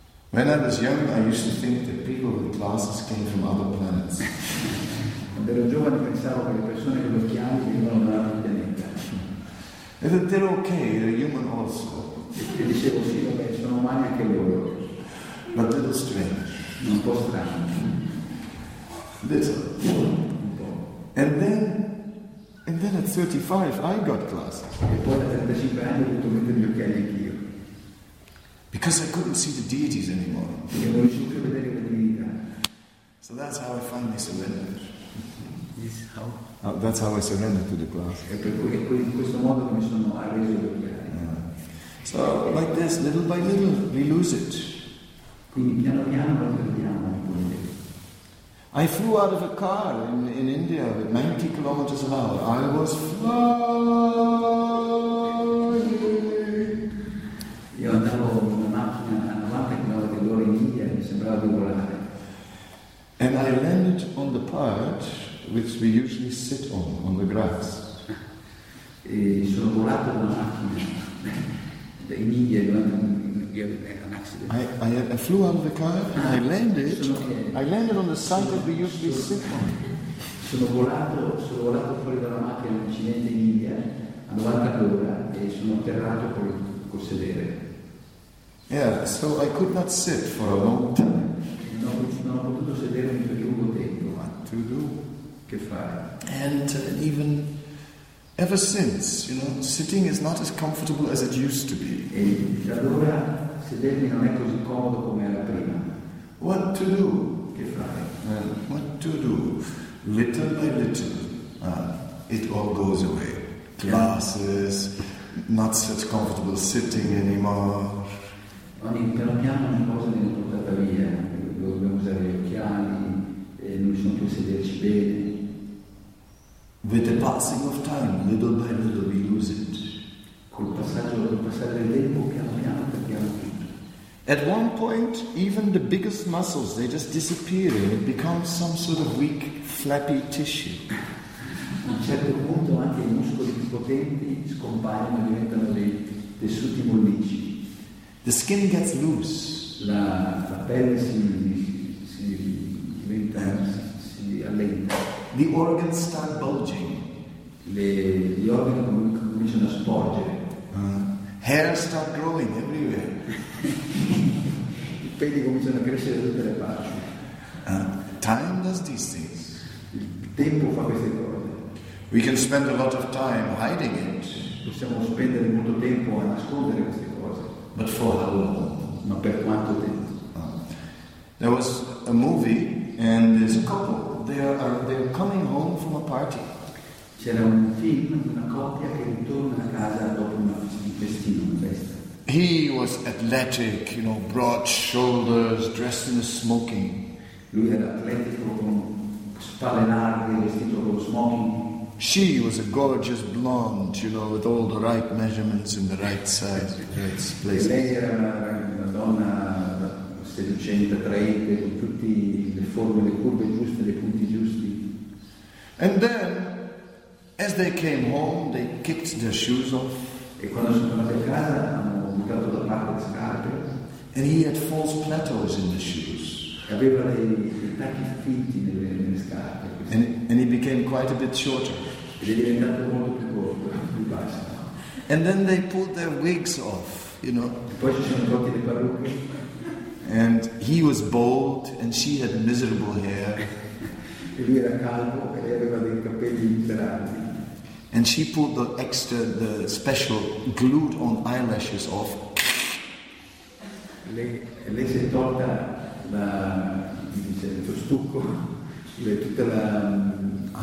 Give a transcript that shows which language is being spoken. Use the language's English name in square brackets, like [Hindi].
[English] When I was young, I used to think that people with glasses came from other planets. [Italian] Quando ero giovane pensavo che le persone con gli occhiali venivano da altri pianeti. [English] And that they're okay, they're human also. [Italian] E dicevo sì, vabbè, sono umani anche loro. [English] But a little strange. [Italian] Un po' strano. [English] Little. [Italian] Un po'. [English] And then at 35 I got glasses. [Italian] E poi a 35 anni ho dovuto mettere gli occhiali anch'io. [English] Because I couldn't see the deities anymore. [Italian] Perché non riuscivo più a vedere le divinità. [English] So that's how I finally surrendered. Yes, how? That's how I surrendered to the glasses. [Italian] E per cui in questo modo mi sono arreso gli occhiali. [English] So like this, little by little, we lose it. [Italian] Quindi piano piano lo perdiamo, quindi. [English] I flew out of a car in India at 90 kilometers an hour. I was flying. [Italian] Io andavo in una macchina a 90 km all'ora in India e mi sembrava di volare. [English] And I landed on the part which we usually sit on the grass. [Italian] E sono volato con la macchina. [English] In India, an accident. I flew out of the car and I landed. I landed on the side that we usually sit on. [Italian] Sono volato fuori dalla macchina in incidente in India a 90 km/h e sono atterrato col sedere. [English] Yeah, so I could not sit for a long time. [Italian] Non ho potuto sedere per lungo tempo. [English] What to do? [Italian] Che fare? [English] And even. Ever since, you know, sitting is not as comfortable as it used to be. [Italian] E da allora sedermi non è così comodo come era prima. [English] What to do? [Italian] Che fare? [English] What to do? Little by little, it all goes away. Glasses, not such comfortable sitting anymore. [Italian] Ogni piano piano ogni cosa viene portata via. Dobbiamo usare gli occhiali e non sono più sederci bene. [English] With the passing of time, little by little, we lose it. [Italian] Col passaggio del tempo, piano, perdiamo tutto. [English] At one point, even the biggest muscles, they just disappear and it becomes some sort of weak, flappy tissue. [Italian] A un certo punto, anche i muscoli più potenti scompaiono e diventano dei tessuti mollicci. [English] The skin gets loose. [Italian] La pelle si allenta. [English] The organs start bulging. [Italian] Gli organi cominciano a sporgere. [English] Hair start growing everywhere. [Italian] I peli cominciano a crescere da tutte le parti. [English] Time does these things. [Italian] Il tempo fa queste cose. [English] We can spend a lot of time hiding it. [Italian] Possiamo spendere molto tempo a nascondere queste cose. [English] But for how long? [Italian] Ma per quanto tempo? [English] There was a movie and there's a couple. They are coming home from a party. [Italian] C'era un film di una coppia che ritorna a casa dopo un festino, una festa. [English] He was athletic, you know, broad shoulders, dressed in a smoking. [Italian] Lui era atletico, con spalle larghe, vestito con smoking. [English] She was a gorgeous blonde, you know, with all the right measurements in the right size. Right place. [Italian] Lei era una donna seducente, attraente, con tutte le forme, le curve giuste, le punti giusti. [English] And then, as they came home, they kicked their shoes off. [Italian] E quando sono andati a casa, hanno buttato da parte le scarpe. [English] And he had false plateaus in the shoes. [Italian] E aveva dei tacchi finti nelle scarpe. [English] And he became quite a bit shorter. [Italian] Ed è diventato molto più corto, più basso. [English] And then they pulled their wigs off, you know. [Italian] E poi ci sono tolti le parrucche. [English] And he was bald, and she had miserable hair. [Italian] Lui era calvo e lei aveva dei capelli miserabili. [English] And she pulled the extra, the special glued-on eyelashes off. [Italian] Lei si è tolta lo stucco, tutta la